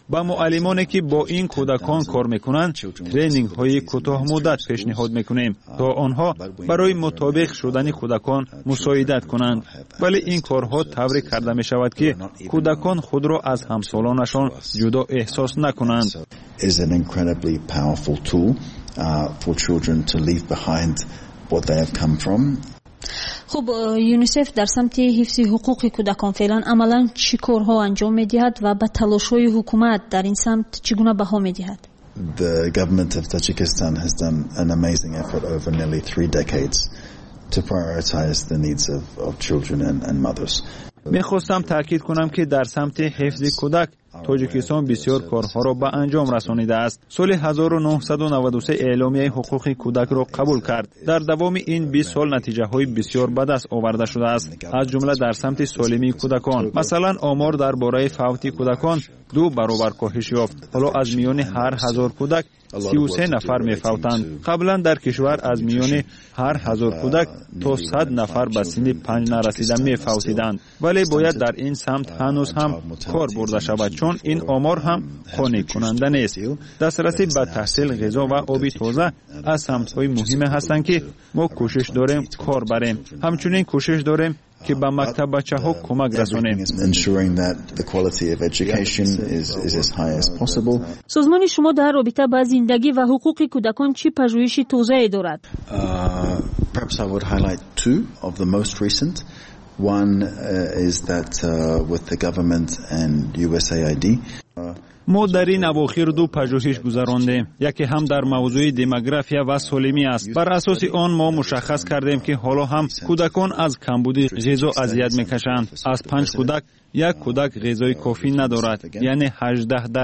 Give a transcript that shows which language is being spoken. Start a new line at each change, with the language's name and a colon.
Persian: با معلمانی که با این کودکان کار میکنند ترینینگ های کوتاه مدت پیشنهاد میکنیم تا آنها برای مطابق شدن کودکان مساعدت کنند. ولی این کارها طوری کرده میشود که کودکان خود را از همسالانشان جدا احساس نکنند.
English: It's an incredibly powerful tool for children to leave behind what they have come from.
Persian: خب یونیسف در سمت حفظ حقوق کودکان فعلا عملا چی کارها انجام میدهد و به تلاش های حکومت در این سمت چگونه بها میدهد؟
English: The government of Tajikistan has done an amazing effort over nearly 3 decades to prioritize the needs of children and mothers.
Persian: میخواستم تاکید کنم که در سمت حفظ کودک تاجیکستان بسیار کارها را به انجام رسانیده است. سال 1993 اعلامیه حقوق کودک را قبول کرد. در دوام این 20 سال نتیجه های بسیار بد است آورده شده است، از جمله در سمت سالمی کودکان. مثلا آمار در باره فوت کودکان 2 برابر کاهش یافت. حالا از میان هر 1000 کودک 33 نفر می فوتند. قبلا در کشور از میان هر 1000 کودک تا 100 نفر به سن 5 نرسیده می فوتیدند. ولی باید در این سمت هنوز هم کار برده شود، چون این آمار هم قانع کننده نیست. دسترسی به تحصیل غذا و آب تازه از سمت های مهم هستند که ما کوشش داریم کار بریم. همچنین کوشش داریم که به مکتب بچه ها کمک رسانیم. سازمان شما در رابطه با زندگی و حقوق کودکان چی پژوهش تازه ای دارد؟
English: Perhaps I would highlight two of the most recent. One is that with the government and USAID.
Persian: ما در این اواخر 2 پژوهش گذراندیم. یکی هم در موضوع دیمگرافیا و سالمی است. بر اساس آن ما مشخص کردیم که حالا هم کودکان از کمبودی غذا اذیت میکشند. از 5 کودک یک کودک غذای کافی ندارد، یعنی 18%.